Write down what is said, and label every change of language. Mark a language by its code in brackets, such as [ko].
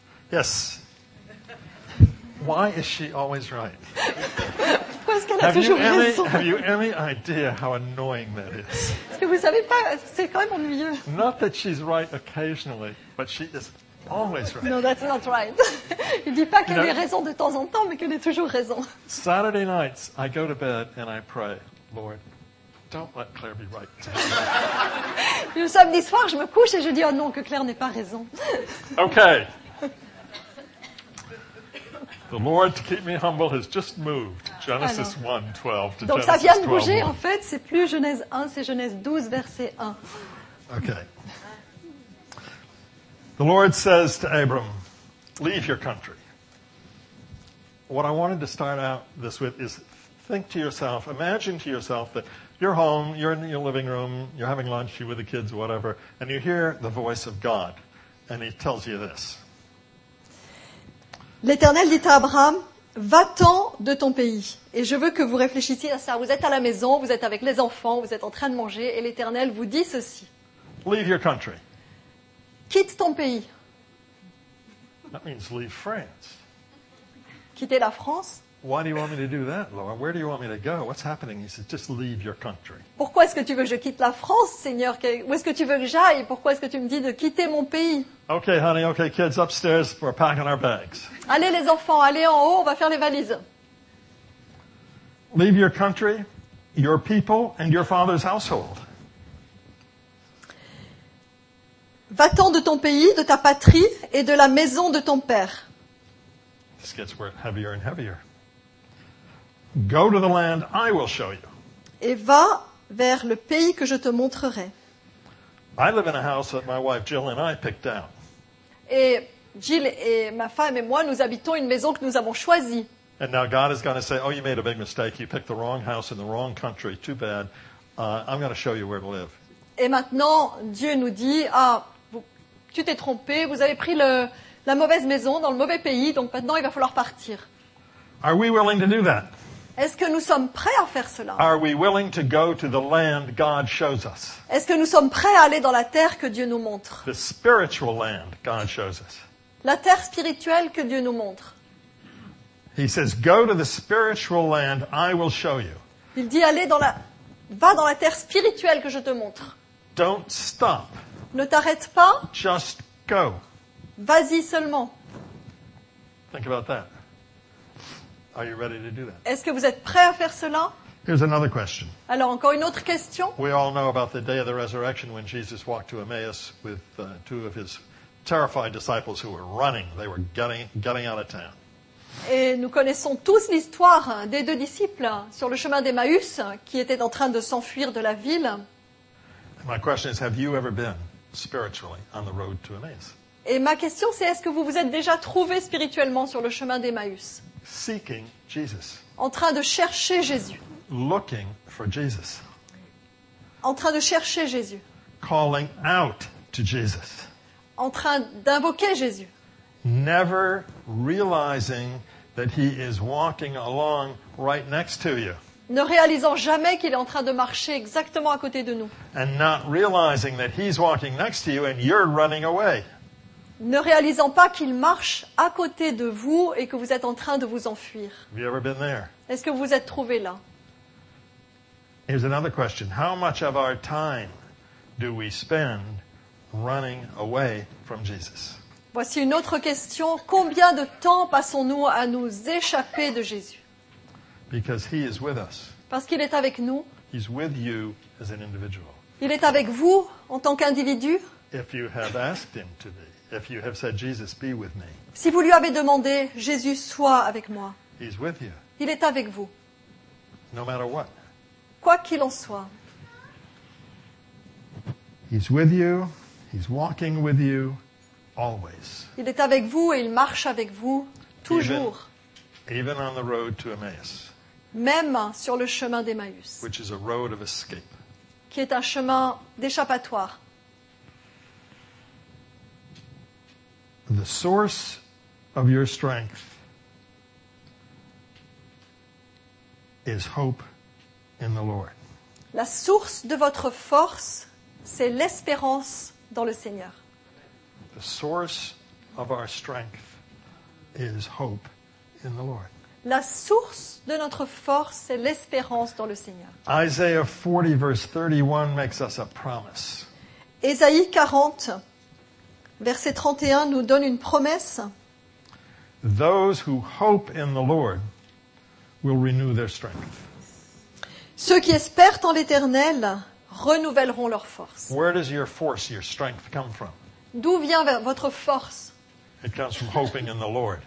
[en] Yes. Why is she always right? Have you any idea how annoying that is? [fr] Parce que vous savez pas, c'est quand même ennuyeux. [en] Not that she's right occasionally, but she is always right. No, that's not right. [fr] Il ne dit pas qu'elle ait raison de temps en temps, mais qu'elle ait toujours raison. [en] Saturday nights, I go to bed and I pray, Lord, don't let Claire be right. [fr] Le samedi soir, je me couche et je dis, oh non, que Claire n'ait pas raison. [en] Okay. The Lord to keep me humble has just moved. Genesis 1, 12 to [fr] Donc [en] Genesis [fr] ça vient de bouger, 1. En fait. C'est plus Genèse 1, c'est Genèse 12, verset 1. [en] Okay. The Lord says to Abram, leave your country. What I wanted to start out this with is think to yourself, imagine to yourself that you're home, you're in your living room, you're having lunch, you're with the kids, whatever, and you hear the voice of God, and he tells you this. [fr] L'Éternel dit à Abraham, va-t'en de ton pays. Et je veux que vous réfléchissiez à ça. Vous êtes à la maison, vous êtes avec les enfants, vous êtes en train de manger, et l'Éternel vous dit ceci. [en] Leave your country. [fr] Quitte ton pays. [en] That means leave France. [fr] Quitter la France. [en] Why do you want me to do that, Lord? Where do you want me to go? What's happening? He says, just leave your country. [fr] Pourquoi est-ce que tu veux que je quitte la France, Seigneur? Où est-ce que tu veux que j'aille? Pourquoi est-ce que tu me dis de quitter mon pays? [en] Okay, honey, okay, kids, upstairs, we're packing our bags. [fr] Allez, les enfants, allez en haut, on va faire les valises. [en] Leave your country, your people, and your father's household. [fr] Va-t'en de ton pays, de ta patrie, et de la maison de ton père. [en] This gets heavier and heavier. Go to the land I will show you. [fr] Et va vers le pays que je te montrerai. [en] I live in a house that my wife Jill and I picked out. [fr] Et Jill et ma femme et moi, nous habitons une maison que nous avons choisie. [en] And now God is going to say, oh, you made a big mistake. You picked the wrong house in the wrong country. Too bad. I'm going to show you where to live. [fr] Et maintenant, Dieu nous dit, ah, tu t'es trompé. Vous avez pris la mauvaise maison dans le mauvais pays. Donc maintenant, il va falloir partir. [en] Are we willing to do that? [fr] Est-ce que nous sommes prêts à faire cela? [en] Are we willing to go to the land God shows us? [fr] Est-ce que nous sommes prêts à aller dans la terre que Dieu nous montre? [en] The spiritual land God shows us. [fr] La terre spirituelle que Dieu nous montre. [en] He says, go to the spiritual land I will show you. [fr] Il dit, va dans la terre spirituelle que je te montre. [en] Don't stop. [fr] Ne t'arrête pas. [en] Just go. [fr] Vas-y seulement. [en] Think about that. Are you ready to do that? [fr] Est-ce que vous êtes prêt à faire cela? [en] Here's another question. [fr] Alors encore une autre question. [en] We all know about the day of the resurrection when Jesus walked to Emmaus with two of his terrified disciples who were running. They were getting out of town. [fr] Et nous connaissons tous l'histoire des deux disciples sur le chemin d'Emmaüs qui étaient en train de s'enfuir de la ville. [en] And my question is, have you ever been spiritually on the road to Emmaus? [fr] Et ma question c'est, est-ce que vous vous êtes déjà trouvé spirituellement sur le chemin d'Emmaüs? [en] Seeking Jesus. [fr] En train de chercher Jésus. [en] Looking for Jesus. [fr] En train de chercher Jésus. [en] Calling out to Jesus. [fr] En train d'invoquer Jésus. [en] Never realizing that he is walking along right next to you. [fr] Ne réalisant jamais qu'il est en train de marcher exactement à côté de nous. [en] And not realizing that he's walking next to you and you're running away. [fr] Ne réalisant pas qu'il marche à côté de vous et que vous êtes en train de vous enfuir. [en] Have you ever been there? [fr] Est-ce que vous êtes trouvé là? [en] Here's another question. How much of our time do we spend running away from Jesus? [fr] Voici une autre question. Combien de temps passons-nous à nous échapper de Jésus? [en] Because he is with us. [fr] Parce qu'il est avec nous. [en] He's with you as an individual. [fr] Il est avec vous en tant qu'individu. [en] If you have asked him to be. If you have said, Jesus, be with me. [fr] Si vous lui avez demandé, Jésus, sois avec moi. [en] He's with you. [fr] Il est avec vous. [en] No matter what. [fr] Quoi qu'il en soit. [en] He's with you. He's walking with you. Always. [fr] Il est avec vous et il marche avec vous. Toujours. [en] Even on the road to Emmaus. [fr] Même sur le chemin d'Emmaüs. [en] Which is a road of escape. [fr] Qui est un chemin d'échappatoire. [en] The source of your strength is hope in the Lord. [fr] La source de votre force, c'est l'espérance dans le Seigneur. [en] The source of our strength is hope in the Lord. [fr] La source de notre force, c'est l'espérance dans le Seigneur. [en] Isaiah 40, verse 31 makes us a promise. [fr] Ésaïe 40. Verset 31 nous donne une promesse. [en] Those who hope in the Lord will renew their strength. [fr] Ceux qui espèrent en l'Éternel renouvelleront leur force. [en] Where does your force, your strength come from? [fr] D'où vient votre force? [en] It comes from hoping in the Lord.